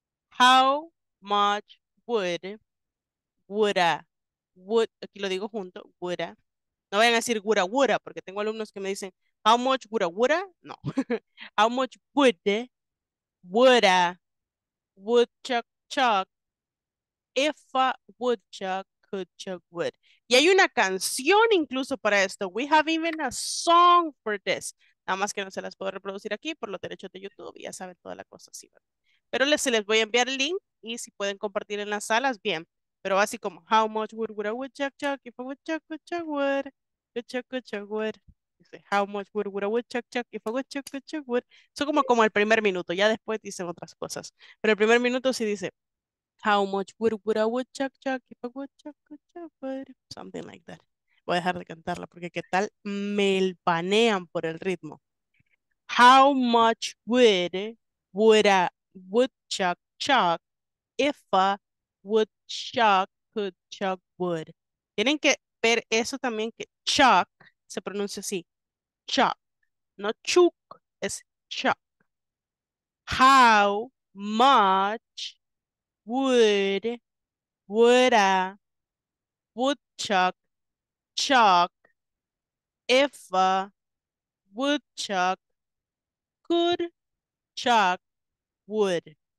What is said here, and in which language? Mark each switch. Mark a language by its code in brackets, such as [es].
[en] How much would a, would, [es] aquí lo digo junto, [en] would a, [es] no vayan a decir [en] would a, [es] porque tengo alumnos que me dicen, [en] how much would a, [es] no. [en] How much would a woodchuck chuck if a woodchuck could chuck wood? [es] Y hay una canción incluso para esto. [en] We have even a song for this. [es] Nada más que no se las puedo reproducir aquí por los derechos de YouTube. Ya saben toda la cosa. Sí, pero les voy a enviar el link y si pueden compartir en las salas, bien. Pero así como, [en] how much would a woodchuck chuck if a woodchuck could chuck wood? Woodchuck could chuck wood. How much would a woodchuck chuck if a woodchuck could chuck wood? [es] Son como el primer minuto. Ya después dicen otras cosas. Pero el primer minuto sí dice, [en] how much would a woodchuck chuck if a woodchuck could chuck wood? Something like that. [es] Voy a dejar de cantarla porque qué tal me el panean por el ritmo. [en] How much would a woodchuck chuck if a woodchuck could chuck wood? [es] Tienen que ver eso también, que chuck se pronuncia así. Chuck, no chuk, es chuck. [en] How much would a woodchuck chuck if a woodchuck could chuck wood?